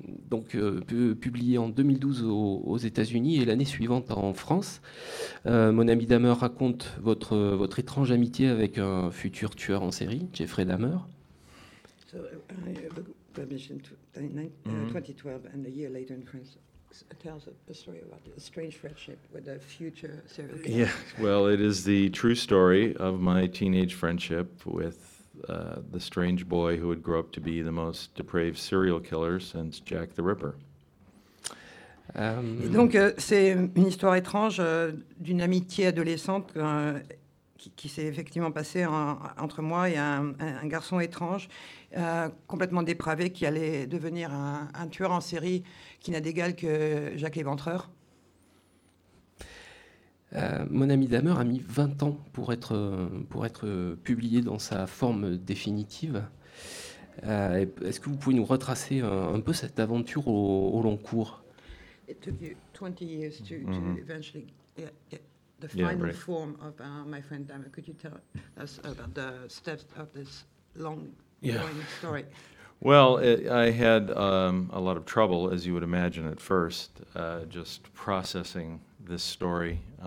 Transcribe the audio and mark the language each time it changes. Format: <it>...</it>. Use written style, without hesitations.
<fr>Donc, publié en 2012 aux États-Unis et l'année suivante en France, mon ami Dahmer raconte votre étrange amitié avec un futur tueur en série, Jeffrey Dahmer.</fr> <en>So, permission to 2012 and a year later in France tells a story about a strange friendship with a future serial killer. Yeah, well, it is the true story of my teenage friendship with the strange boy who would grow up to be the most depraved serial killer since Jack the Ripper.</en> <fr>Donc, c'est une histoire étrange d'une amitié adolescente qui s'est effectivement passée entre moi et un garçon étrange, complètement dépravé, qui allait devenir un tueur en série qui n'a d'égal que Jack l'Éventreur. Mon ami Dahmer a mis 20 ans pour être publié dans sa forme définitive. Est-ce que vous pouvez nous retracer un peu cette aventure au long cours?</fr> <en>It took you 20 years to eventually get the final form of my friend Dahmer. Could you tell us about the steps of this long story? Well, I had a lot of trouble, as you would imagine at first, just processing this story.</en>